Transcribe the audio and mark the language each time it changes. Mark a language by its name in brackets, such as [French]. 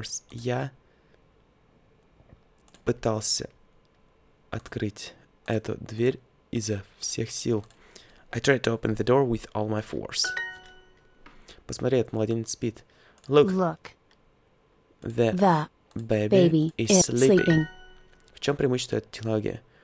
[Russian] Я пытался открыть эту дверь изо всех сил. [English] I tried to open the door with all my force. [Russian] Посмотри, этот младенец спит. [English] Look. The baby is sleeping. [Russian] В чем преимущество этой технологии?